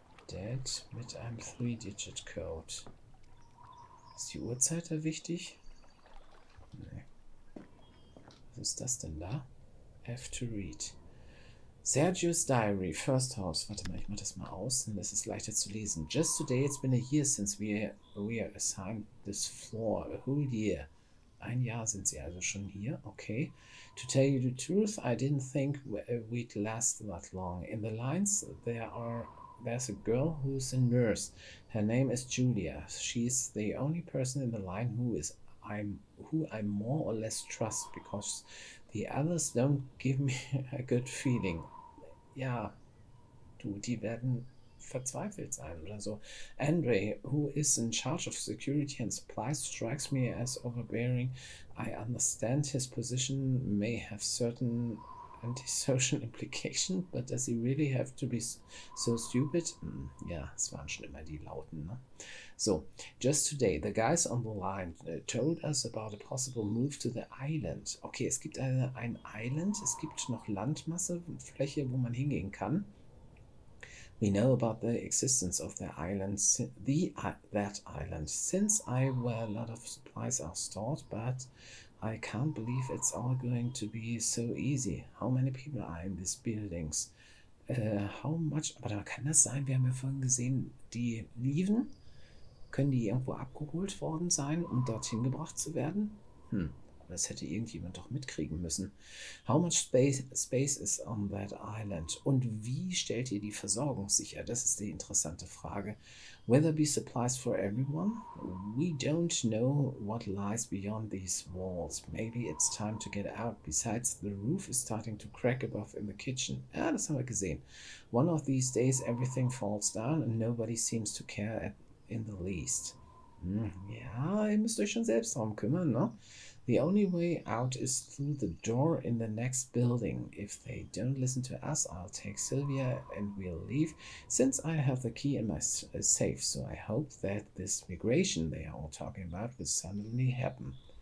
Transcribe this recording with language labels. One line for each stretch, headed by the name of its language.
German: Dead mit einem 3-Digit-Code. Ist die Uhrzeit da wichtig? Nee. Was ist das denn da?
English: Have to read. Sergio's Diary, First House.
German: Warte mal, ich mach das mal aus, denn das ist leichter zu lesen.
English: Just today, it's been a year since we are assigned this floor. A whole year.
German: Ein Jahr sind sie also schon hier.
English: Okay. To tell you the truth, I didn't think we'd last that long. In the lines, there's a girl who's a nurse. Her name is Julia. She's the only person in the line who I more or less trust, because the others don't give me a good feeling.
German: Ja, du, die werden verzweifelt sein oder so.
English: Andre, who is in charge of security and supplies, strikes me as overbearing. I understand his position may have certain antisocial implications, but does he really have to be so stupid?
German: Ja, es waren schon immer die Lauten, ne?
English: So, just today, the guys on the line told us about a possible move to the island.
German: Okay, es gibt ein Island, es gibt noch Landmasse, Fläche, wo man hingehen kann.
English: We know about the existence of the island, that island, since I where a lot of supplies are stored, but I can't believe it's all going to be so easy. How many people are in these buildings? How much,
German: aber da kann das sein, wir haben ja vorhin gesehen, die lieben. Können die irgendwo abgeholt worden sein, um dorthin gebracht zu werden? Hm, das hätte irgendjemand doch mitkriegen müssen.
English: How much space is on that island?
German: Und wie stellt ihr die Versorgung sicher? Das ist die interessante Frage.
English: Will there be supplies for everyone? We don't know what lies beyond these walls. Maybe it's time to get out. Besides, the roof is starting to crack above in the kitchen.
German: Ja, das haben wir gesehen.
English: One of these days everything falls down and nobody seems to care at in the least.
German: Ja, ihr müsst euch schon selbst darum kümmern, ne?
English: The only way out is through the door in the next building. If they don't listen to us, I'll take Sylvia and we'll leave, since I have the key in my safe. So I hope that this migration they are all talking about will suddenly happen.